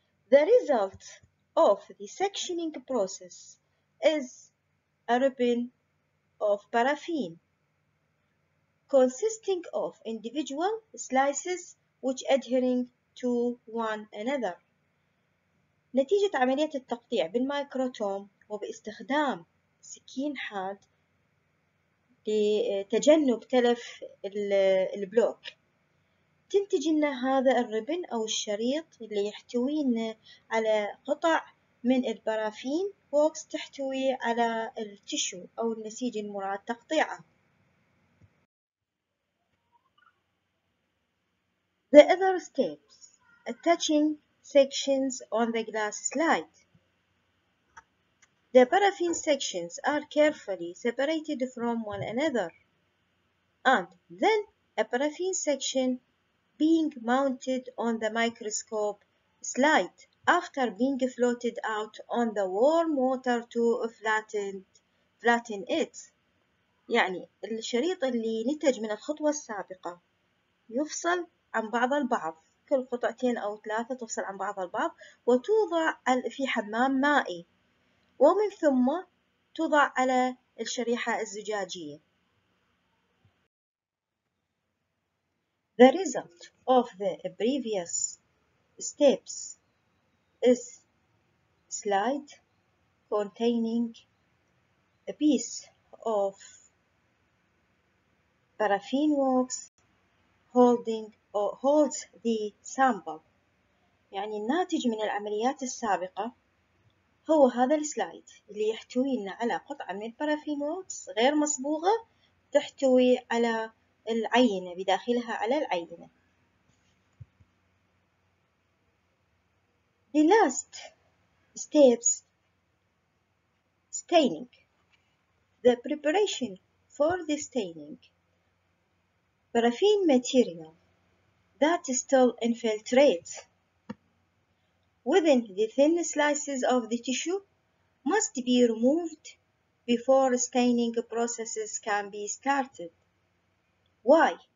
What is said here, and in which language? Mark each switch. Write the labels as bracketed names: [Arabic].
[English] The result of the sectioning process is a ribbon of paraffin consisting of individual slices which adhering to one another. [Arabic] نتيجة عملية التقطيع بالمايكروتوم وباستخدام سكين حاد لتجنب تلف البلوك تنتج لنا هذا الربن أو الشريط اللي يحتوي على قطع من البرافين ووكس تحتوي على التشو أو النسيج المراد تقطيعه. [English] The other steps: attaching sections on the glass slide. The paraffin sections are carefully separated from one another, and then a paraffin section being mounted on the microscope slide after being floated out on the warm water to flatten it. [Arabic] يعني الشريط اللي نتج من الخطوة السابقة يفصل عن بعض البعض، كل قطعتين أو ثلاثة تفصل عن بعض البعض وتوضع في حمام مائي ومن ثم توضع على الشريحة الزجاجية. [English] The result of the previous steps is slide containing a piece of paraffin wax holds the sample. [Arabic] يعني الناتج من العمليات السابقة هو هذا السلايد اللي يحتوي لنا على قطعة من البارافين ووكس غير مصبوغة تحتوي على العينة بداخلها على العينة. [English] The last steps staining. The preparation for the staining. Paraffin material that still infiltrates within the thin slices of the tissue must be removed before staining processes can be started. Why?